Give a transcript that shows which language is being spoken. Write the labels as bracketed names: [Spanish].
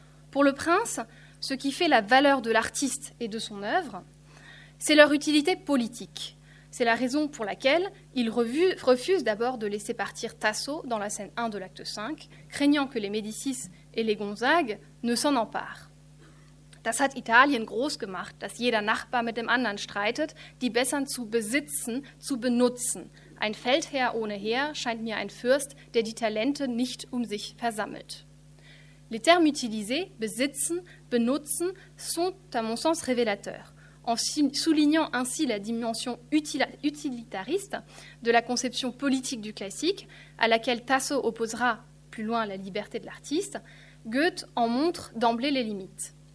[French] Pour le prince, ce qui fait la valeur de l'artiste et de son œuvre, c'est leur utilité politique. C'est la raison pour laquelle il refuse d'abord de laisser partir Tasso dans la scène 1 de l'acte 5, craignant que les Médicis et les Gonzagues ne s'en emparent. [German] Das hat Italien groß gemacht, dass jeder Nachbar mit dem anderen streitet, die Bessern zu besitzen, zu benutzen. Ein Feldherr ohne Heer scheint mir ein Fürst, der die Talente nicht um sich versammelt. [French] Les termes utilisés, besitzen, benutzen, sont à mon sens révélateurs, en soulignant ainsi la dimension utilitariste de la conception politique du classique, à laquelle Tasso opposera plus loin la liberté de l'artiste, Goethe en montre d'emblée les limites.